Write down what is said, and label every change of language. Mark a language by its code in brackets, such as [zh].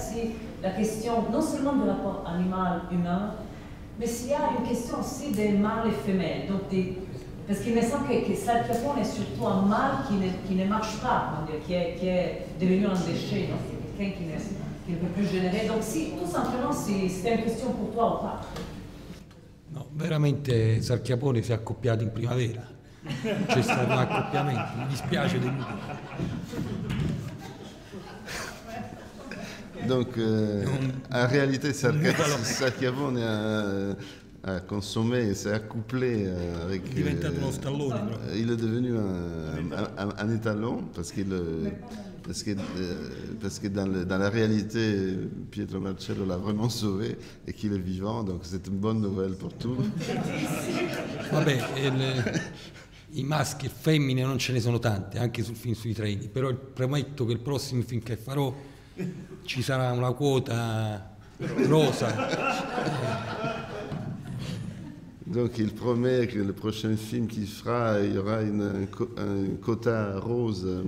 [fr] Si, la question non seulement de l'apport animal-humain, mais s'il y a une question aussi des mâles et femelles, donc des, Parce qu'il me semble que Sartre Capone est surtout un mal qui ne marche pas, qui est devenu un déchet, non? C'est quelqu'un qui ne peut plus générer. Donc, si, tout simplement, si c'était une question pour toi ou pas. [it] No, veramente Sartre Capone si è accoppiato in primavera, c'è stato un accoppiamento, mi dispiace di lui. [fr] Donc, [it] in realtà Sartre Capone ha consumé, si è accouplé. È diventato uno stallone. [fr] Il [it] è diventato [fr] un étalon, parce que dans la réalité, Pietro Marcello l'a vraiment sauvé et qu'il est vivant, donc c'est une bonne nouvelle pour tout. [it] Vabbè, i maschi e femmine non ce ne sono tante, anche sul film sui treni, però prometto che il prossimo film che farò ci sarà una quota rosa. [fr] Donc il promet que le prochain film qu'il fera, il y aura un quota rose.